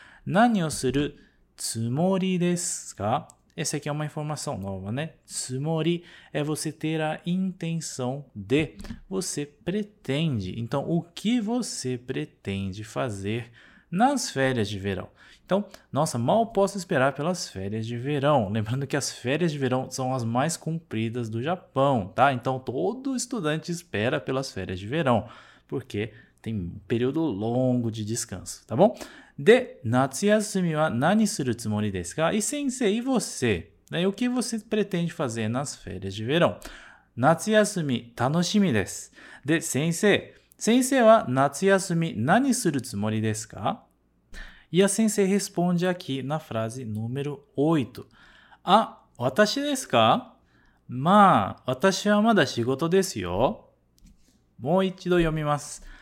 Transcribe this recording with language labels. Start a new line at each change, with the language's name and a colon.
Japanese: 何をするつもりですか？
Portuguese: Essa aqui é uma informação nova, né? つもり é você ter a intenção de. Você pretende. Então, o que você pretende fazer nas férias de verão? Então, nossa, mal posso esperar pelas férias de verão. Lembrando que as férias de verão são as mais compridas do Japão, tá? Então, todo estudante espera pelas férias de verão, porque tem um período longo de descanso, tá bom?
Japanese: De, 夏休みは何するつもりですか?
Portuguese: E, sensei, e você? Né? O que você pretende fazer nas férias de verão?
Japanese: 夏休み楽しみです。で、先生は夏休み何するつもりですか?
Portuguese: E a sensei responde aqui na frase número 8.
Japanese: Ah, 私ですか? まあ、私はまだ仕事ですよ。もう一度読みます。